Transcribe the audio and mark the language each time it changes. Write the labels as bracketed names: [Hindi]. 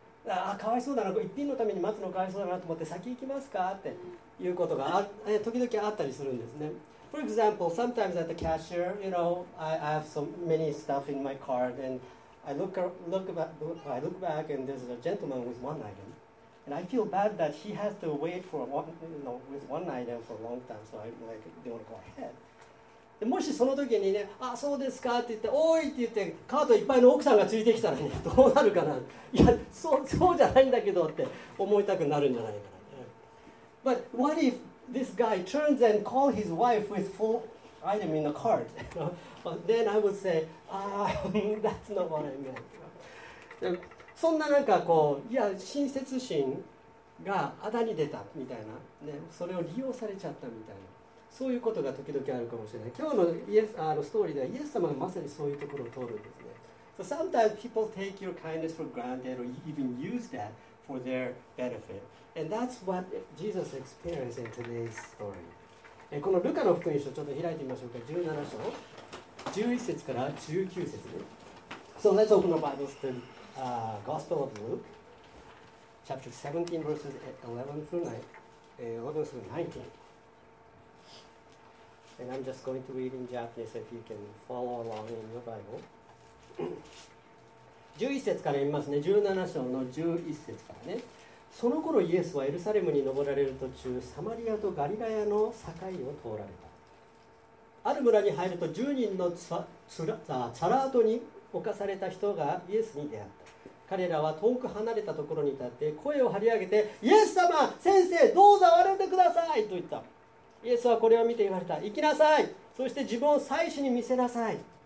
[Japanese] あかわいそうだな一品のために待つのかわいそうだなと思って先行きますかっていうことが時々あったりするんですね [English] For example, sometimes at the cashier, you know, I have so many stuff in my cart and I look back and there's a gentleman with one item. And I feel bad that he has to wait for one, you know, with one item for a long time, so I like don't want to go ahead. [Japanese] でもしその時にね、あ、そうですかって言って、おいって言って、カートいっぱいの奥さんがついてきたらね、どうなるかな。いや、そうじゃないんだけどって思いたくなるんじゃないかな。 [English] But what if this guy turns and calls his wife with full item in the cart? Then I would say, that's not what I meant. [Japanese] そんななんかこういや親切心があだに出たみたいな、ね、それを利用されちゃったみたいなそういうことが時々あるかもしれない今日のイエスあのストーリーではイエス様がまさにそういうところを通るんですね [English] So sometimes people take your kindness for granted or even use that for their benefit and that's what Jesus experienced in today's story [Japanese] このルカの福音書ちょっと開いてみましょうか17章11節から19節で [English] So let's open the Bible studyGospel of Luke, chapter 17, verses 11 through 19. And I'm just going to read in Japanese if you can follow along in your Bible. [Japanese] 11節から言いますね。 17章の11節からね。その頃イエスはエルサレムに登られる途中、サマリアとガリラヤの境を通られた。ある村に入ると10人のチャラートに侵された人がイエスに出会った。彼らは遠く離れたところに立って声を張り上げてイエス様先生どうぞ我々でくださいと言ったイエスはこれを見て言われた行きなさいそして自分を祭司に見せなさい